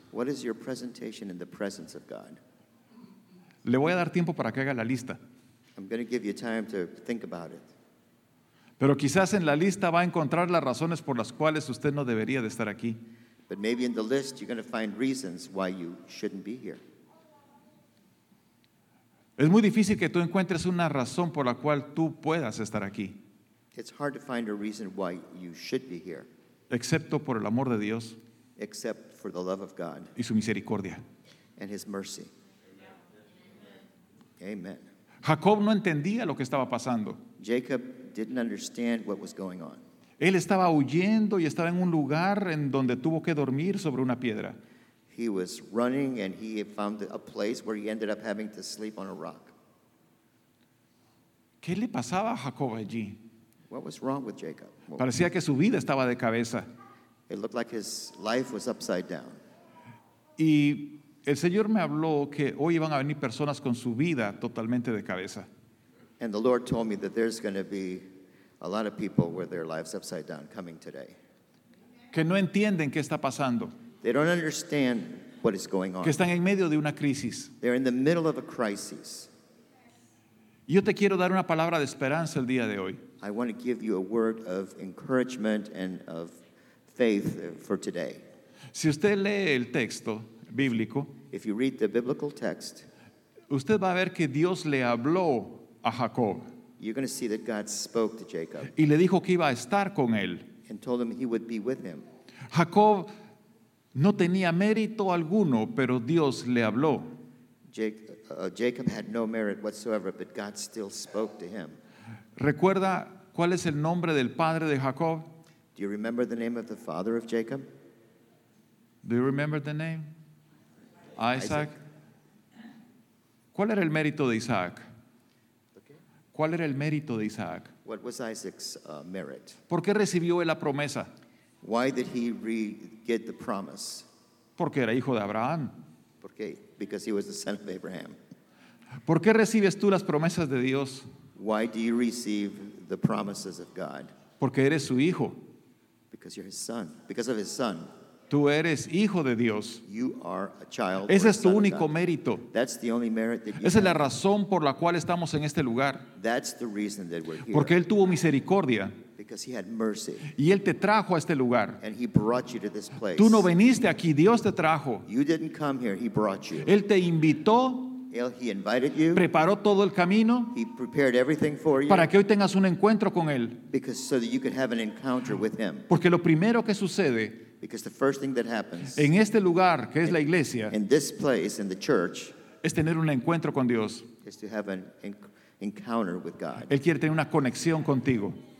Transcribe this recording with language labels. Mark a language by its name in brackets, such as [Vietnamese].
[English] What is your presentation in the presence of God? [Spanish] Le voy a dar tiempo para que haga la lista. [English] I'm going to give you time to think about it. [Spanish] Pero quizás en la lista va a encontrar las razones por las cuales usted no debería de estar aquí. [English] But maybe in the list you're going to find reasons why you shouldn't be here. [Spanish] Es muy difícil que tú encuentres una razón por la cual tú puedas estar aquí. [English] It's hard to find a reason why you should be here. [Spanish] Excepto por el amor de Dios. [English] Except for the love of God. [Spanish] Y su misericordia. [English] And his mercy. Amen. [Spanish] Jacob no entendía lo que estaba pasando. [English] Jacob didn't understand what was going on. [Spanish] Él estaba huyendo y estaba en un lugar en donde tuvo que dormir sobre una piedra. [English] He was running and he found a place where he ended up having to sleep on a rock. [Spanish] ¿Qué le pasaba a Jacob allí? [English] What was wrong with Jacob? [Spanish] Parecía que su vida estaba de cabeza. [English] It looked like his life was upside down. [Spanish] Y el Señor me habló que hoy iban a venir personas con su vida totalmente de cabeza. [English] And the Lord told me that there's going to be a lot of people with their lives upside down coming today. [Spanish] Que no entienden qué está pasando. [English] They don't understand what is going on. [Spanish] Que están en medio de una crisis. [English] They're in the middle of a crisis. [Spanish] Yo te quiero dar una palabra de esperanza el día de hoy. [English] I want to give you a word of encouragement and of faith for today. [Spanish] Si usted lee el texto bíblico, [English] if you read the biblical text, [Spanish] usted va a ver que Dios le habló a Jacob. [English] You're going to see that God spoke to Jacob. [Spanish] Y le dijo que iba a estar con él. [English] And told him he would be with him. [Spanish] Jacob no tenía mérito alguno, pero Dios le habló. [English] Jacob had no merit whatsoever, but God still spoke to him. [Spanish] ¿Recuerda cuál es el nombre del padre de Jacob? [English] Do you remember the name of the father of Jacob? Do you remember the name? Isaac. [Spanish] ¿Cuál era el mérito de Isaac? ¿Cuál era el mérito de Isaac? [English] What was Isaac's merit? [Spanish] ¿Por qué recibió él la promesa? [English] Why did he get the promise? [Spanish] Porque era hijo de Abraham. ¿Por qué? [English] Because he was the son of Abraham. [Spanish] ¿Por qué recibes tú las promesas de Dios? [English] Why do you receive the promises of God? [Spanish] Porque eres su hijo. [English] Because you're his son. Because of his son. [Spanish] Tú eres hijo de Dios. [English] You are a child. [Spanish] Ese es tu único mérito. [English] That's the only merit that you have. [Spanish] Esa es la razón por la cual estamos en este lugar. [English] That's the reason that we're here. [Spanish] Porque él tuvo misericordia. [English] Because he had mercy. [Spanish] Y él te trajo a este lugar. [English] And he brought you to this place. [Spanish] Tú no viniste aquí, Dios te trajo. [English] You didn't come here, he brought you. [Spanish] Él te invitó. [English] He invited you. [Spanish] Preparó todo el camino. [English] He prepared everything for you. [Spanish] Para que hoy tengas un encuentro con él. [English] Because so that you could have an encounter with him. [Spanish] Porque lo primero que sucede, [English] because the first thing that happens [Spanish] en este lugar, que es la iglesia, [English] in this place, in the church, [Spanish] es tener un encuentro con Dios. [English] Is to have an encounter with God. [Spanish] Él quiere tener una conexión contigo.